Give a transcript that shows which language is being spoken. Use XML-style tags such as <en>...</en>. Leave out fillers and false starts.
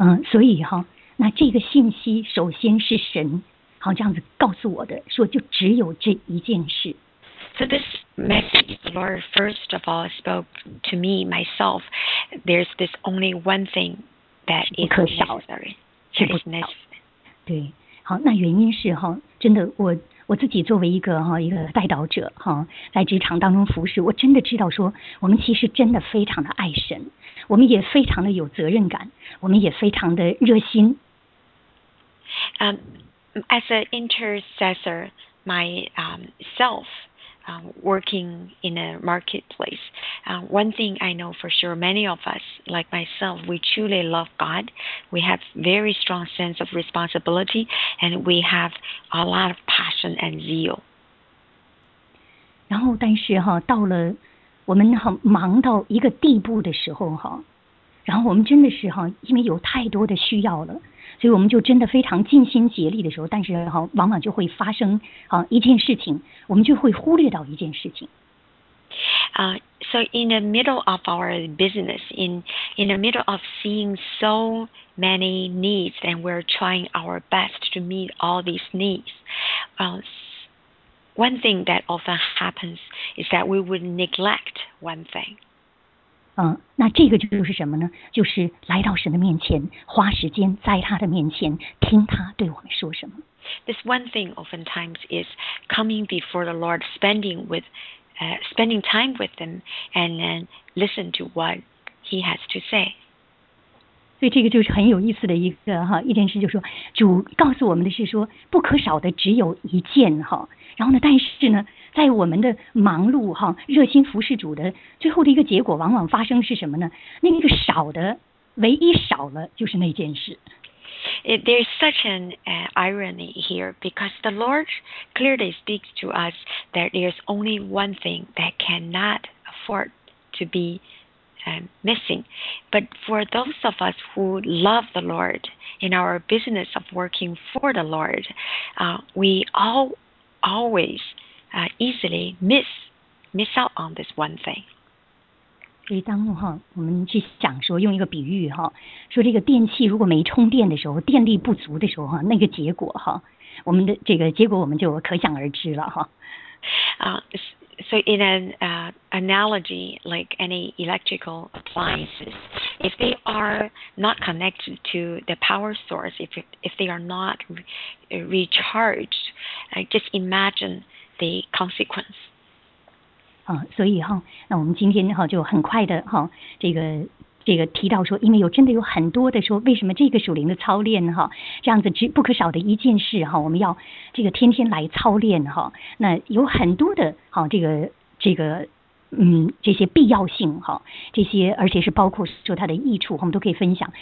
<zh>所以那这个信息首先是神好这样子告诉我的，说就只有这一件事。</zh> <en>So this message the Lord first of all spoke to me myself. There's this only one thing that is necessary.</en> <zh>是不可少的。对，好，那原因是哈，真的我自己作为一个代祷者哈，在职场当中服侍，我真的知道说，我们其实真的非常的爱神，我们也非常的有责任感，我们也非常的热心。</zh> <en>As an intercessor myself. Working in a marketplace, one thing I know for sure, many of us, like myself, we truly love God. We have very strong sense of responsibility, and we have a lot of passion and zeal.</en> <zh>然后，但是哈，到了我们很忙到一个地步的时候哈，然后我们真的是哈，因为有太多的需要了，所以我们就真的非常尽心竭力的时候，但是哈，往往就会发生啊一件事情，我们就会忽略到一件事情。</zh> <en>So in the middle of our business, in the middle of seeing so many needs, and we're trying our best to meet all these needs, one thing that often happens is that we would neglect one thing.</en> <zh>那这个就是什么呢？就是来到神的面前，花时间在他的面前，听他对我们说什么。</zh> <en>This one thing oftentimes is coming before the Lord, spending time with them, and then listen to what He has to say.</en> <zh>所以这个就是很有意思的一件事，就是说主告诉我们的是说不可少的只有一件哈。然后呢，但是呢。在我们的忙碌哈，热心服侍主的最后的一个结果，往往发生是什么呢？那个少的，唯一少了就是那件事。</zh> <en>There's such an irony here because the Lord clearly speaks to us that there's only one thing that cannot afford to be missing. But for those of us who love the Lord in our business of working for the Lord, we all always. Easily miss out on this one thing.</en> <zh>所以当哈，我们去想说，用一个比喻哈，说这个电器如果没充电的时候，电力不足的时候哈，那个结果哈，我们的这个结果我们就可想而知了哈。</zh> <en>So in an analogy like any electrical appliances, if they are not connected to the power source, if they are not recharged, just imagine. The consequence.</en> <zh>所以哈，那我们今天哈就很快的哈，这个提到说，因为有真的有很多的说，为什么这个属灵的操练哈，这样子只不可少的一件事哈，我们要这个天天来操练哈，那有很多的哈，这些必要性哈，这些而且是包括说它的益处，我们都可以分享。</zh>